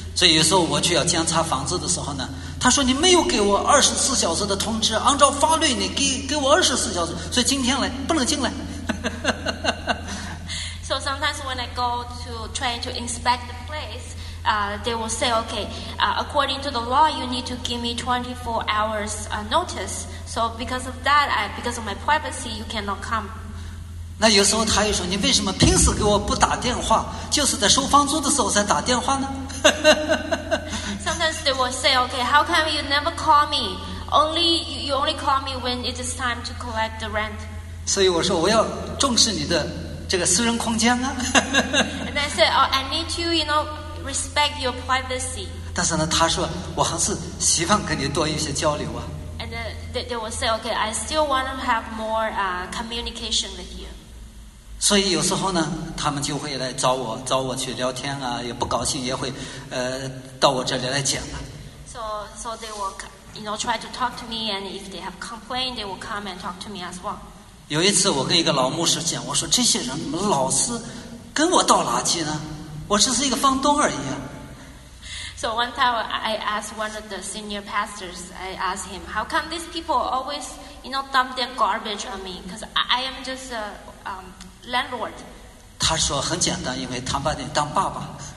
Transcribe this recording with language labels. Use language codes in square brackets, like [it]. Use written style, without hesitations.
[zh] 所以有时候我去要检查房子的时候呢，他说你没有给我24小时的通知，按照法律你给我24小时，所以今天来不能进来。 [en] So sometimes when I go to try to inspect the place, they will say, okay, according to the law, you need to give me 24 hours notice. So because of that, because of my privacy, you cannot come. [zh] 那有时候他又说，你为什么平时给我不打电话，就是在收房租的时候才打电话呢？ [en] Sometimes they will say, okay, how come you never call me? You only call me when it is time to collect the rent. [zh] 所以我说我要重视你的这个私人空间啊。 [en] And I said, oh, I need to, you know, respect your privacy. [zh] 但是呢，他说我还是希望跟你多一些交流啊。 [en] And they will say, okay, I still want to have more communication with you. [zh] 所以有时候呢，他们就会来找我去聊天啊，也不高兴，也会到我这里来讲了。 [en] So they will, you know, try to talk to me, and if they have complained, they will come and talk to me as well. [zh] 有一次我跟一个老牧师讲，我说这些人老是跟我倒垃圾呢，我只是一个房东而已啊。 [en] So one time I asked one of the senior pastors, I asked him, how come these people always, you know, dump their garbage on me? Because I am just a landlord. [zh] 他说很简单，因为他把你当爸爸。